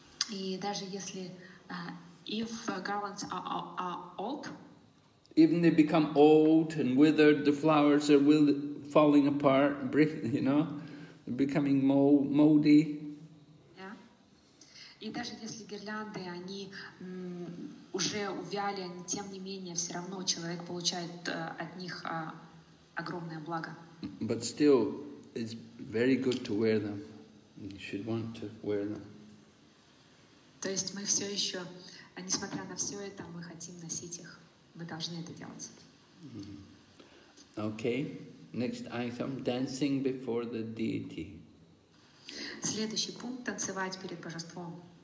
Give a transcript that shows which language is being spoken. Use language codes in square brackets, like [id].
[ru] И даже если [en] if garlands are old, even they become old and withered, the flowers are falling apart, you know, they're becoming moldy. [ru] И даже если гирлянды, они уже увяли, тем не менее, все равно человек получает от них огромное благо. [en] But still, it's very good to wear them. You should want to wear them. [ru] То есть мы все еще, несмотря на все это, мы хотим носить их. Мы должны это делать. [en] Okay, next item, dancing before the deity. [ru] Следующий пункт – танцевать перед божеством.